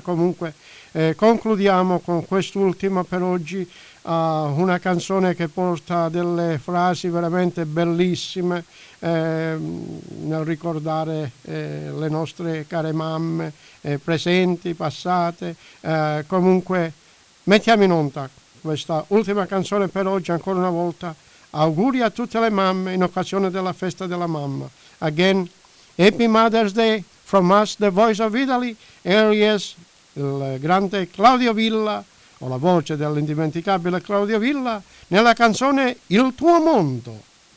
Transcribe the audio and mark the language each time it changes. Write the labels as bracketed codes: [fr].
[it] Comunque concludiamo con quest'ultima per oggi, una canzone che porta delle frasi veramente bellissime nel ricordare le nostre care mamme, presenti, passate. Comunque mettiamo in onda questa ultima canzone per oggi. Ancora una volta auguri a tutte le mamme in occasione della festa della mamma. [en] Again, happy Mother's Day from us, the voice of Italy. Here is [it] il grande Claudio Villa, o la voce dell'indimenticabile Claudio Villa, nella canzone Il tuo mondo.